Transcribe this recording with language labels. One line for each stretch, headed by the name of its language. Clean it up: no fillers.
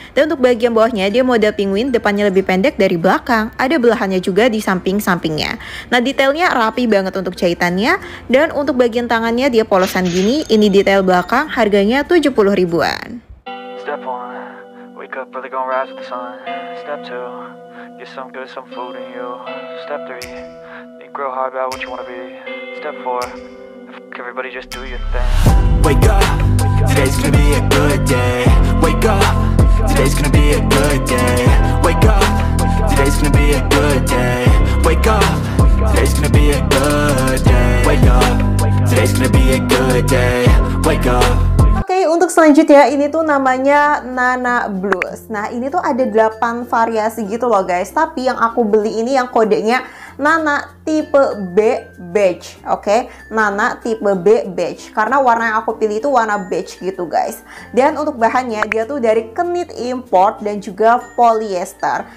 Indonesian: Dan untuk bagian bawahnya dia model penguin, depannya lebih pendek dari belakang, ada belahannya juga di samping-sampingnya. Nah, detailnya rapi banget untuk jahitannya. Dan untuk bagian tangannya dia polosan gini, ini detail belakang, harganya 70 ribuan.
English: Step 1, wake up early, gonna rise with the sun. Step 2, get some good, some food in you. Step 3, think real hard about what you wanna be. Step 4, everybody just do your thing. Wake up, today's gonna be a good day. Wake up, today's gonna be a good day. Wake up, today's gonna be a good day. Wake up, today's gonna be a good day. Wake up, today's gonna be a good day. Wake up.
Indonesian: Oke, untuk selanjutnya ini tuh namanya Nana Blues. Nah, ini tuh ada 8 variasi gitu loh guys. Tapi yang aku beli ini yang kodenya Nana tipe B beige, oke? Nana tipe B beige. Karena warna yang aku pilih itu warna beige gitu guys. Dan untuk bahannya dia tuh dari knit import dan juga polyester.